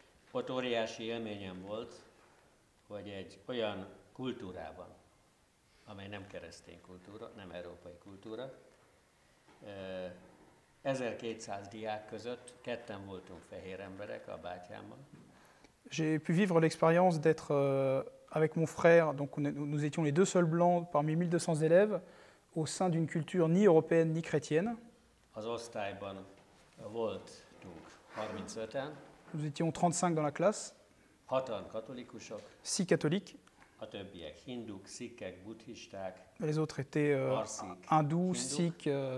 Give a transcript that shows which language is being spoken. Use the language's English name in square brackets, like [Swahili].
[Hungarian] Ott óriási élményem volt, hogy egy olyan kultúrában, amely nem keresztény kultúra, nem európai kultúra, 1200 diák között ketten voltunk fehér emberek a bátyámmal. [French] J'ai pu vivre l'expérience d'être avec mon frère, donc nous étions les deux seuls blancs parmi 1200 élèves, au sein d'une culture ni européenne ni chrétienne. [Hungarian] Az osztályban voltunk 35-en. [French] Nous étions 35 dans la classe. [Hungarian] 6-an katolikusok. 6 katolikus. A többiek hinduk, szikkek, buddhisták. [French] Les autres étaient hindous, szikk,